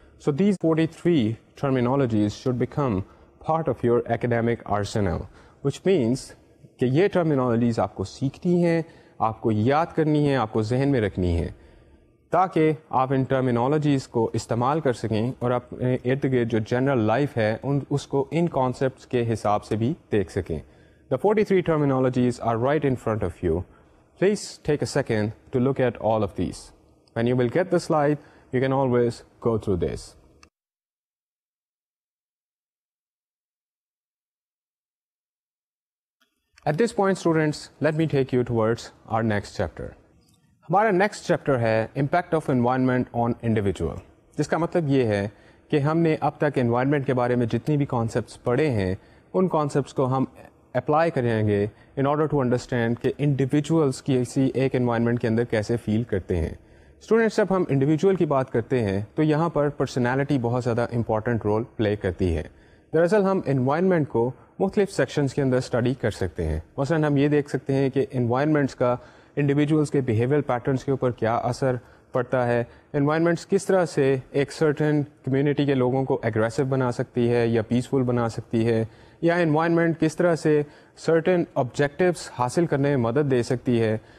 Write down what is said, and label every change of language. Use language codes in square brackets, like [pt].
[en] So these 43 terminologies should become part of your academic arsenal, which means [ur] ke ye terminologies aapko seekhni hain, آپ کو یاد کرنی ہے, آپ کو ذہن میں رکھنی ہے, تاکہ آپ ان ٹرمینالوجیز کو استعمال کر سکیں اور اپنے ارد گرد جو جنرل لائف ہے ان اس کو ان کانسیپٹس کے حساب سے بھی دیکھ سکیں. [en] The 43 terminologies are right in front of you. Please take a second to look at all of these. When you will get this life you can always go through this. At this point, students, let me take you towards our next chapter. Our next chapter is Impact of Environment on Individual. This means that we have studied the environment about the concepts we have studied, we will apply those concepts in order to understand how individuals feel in one environment. Students, when we talk about individual, the personality plays a very important role here. [ur] دراصل ہم environment کو مختلف sections کے اندر study کر سکتے ہیں. مثلاً ہم یہ دیکھ سکتے ہیں کہ انوائرمنٹس کا انڈیویجولس کے بیہیویئر پیٹرنس کے اوپر کیا اثر پڑتا ہے, انوائرمنٹس کس طرح سے ایک سرٹن کمیونٹی کے لوگوں کو اگریسو بنا سکتی ہے یا پیسفل بنا سکتی ہے, یا انوائرمنٹ کس طرح سے سرٹن آبجیکٹیوس حاصل کرنے میں مدد دے سکتی ہے.